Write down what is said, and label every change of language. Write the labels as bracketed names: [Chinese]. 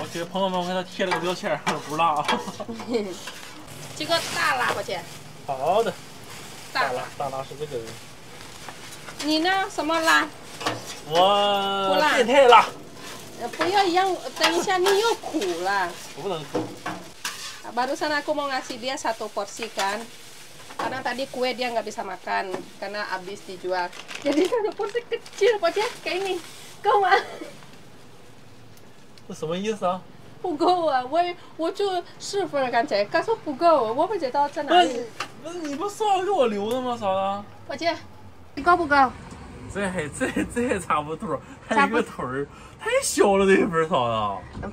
[Chinese] 我给朋友们，我给他贴了个标签，不辣啊。这个大辣，伙计。好的。大辣是这个。你呢？什么辣？我不辣。变态辣。不要一样，等一下你又苦了。我不能苦。 [Indonesian] Barusan aku mau ngasih dia satu porsi kan. Karena tadi kue dia nggak bisa makan karena habis dijual, jadi satu porsi kecil pokoknya kayak ini. Kau mah? [Chinese] 这什么意思啊？不够啊，我就四份刚才，他说不够，我不知道在哪里。那你不算给我留的吗？啥的？伙计，你够不够？这还差不多，还一个腿儿，太小了这一份啥的。